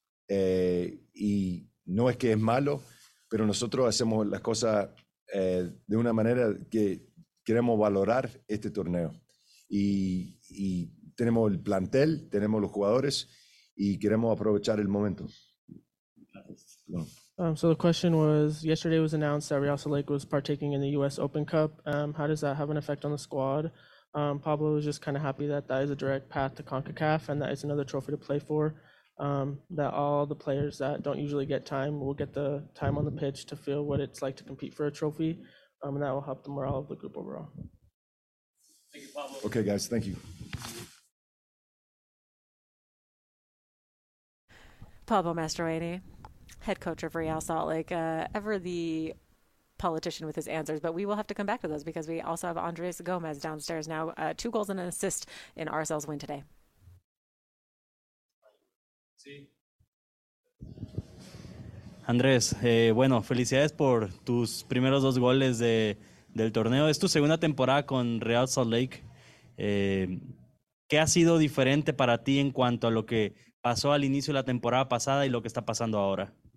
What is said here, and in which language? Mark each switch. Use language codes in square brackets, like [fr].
[es] Y no es que es malo, pero nosotros hacemos las cosas de una manera que queremos valorar este torneo. Y tenemos el plantel, tenemos los jugadores, y queremos aprovechar el momento. [en] So the question was, yesterday was announced that Real Salt Lake was partaking in the U.S. Open Cup. How does that have an effect on the squad? Pablo was just kind of happy that that is a direct path to CONCACAF, and that is another trophy to play for. That all the players that don't usually get time will get the time on the pitch to feel what it's like to compete for a trophy, and that will help the morale of the group overall. Thank you, Pablo. Okay, guys, thank you. Pablo Mastroianni, head coach of Real Salt Lake, ever the politician with his answers, but we will have to come back to those because we also have Andres Gomez downstairs now, 2 goals and an assist in RSL's win today. [es] Andrés, bueno, felicidades por tus primeros 2 goles del torneo. Es tu segunda temporada con Real Salt Lake. ¿Qué ha sido diferente para ti en cuanto a lo que pasó al inicio de la temporada pasada y lo que está pasando ahora?